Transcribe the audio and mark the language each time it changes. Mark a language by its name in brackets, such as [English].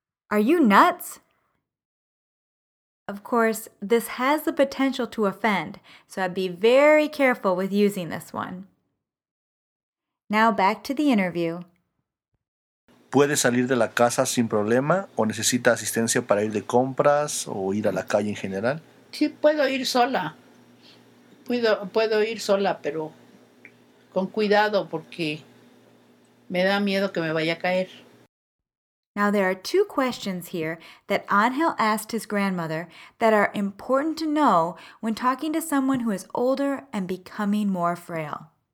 [English] Are you nuts? Of course, this has the potential to offend, so I'd be very careful with using this one. Now back to the interview. [Spanish] ¿Puede salir de la casa sin problema o necesita asistencia para ir de compras o ir a la calle en general? Sí, puedo ir sola. Puedo ir sola, pero con cuidado porque me da miedo que me vaya a caer. [English] Now there are two questions here that Ángel asked his grandmother that are important to know when talking to someone who is older and becoming more frail.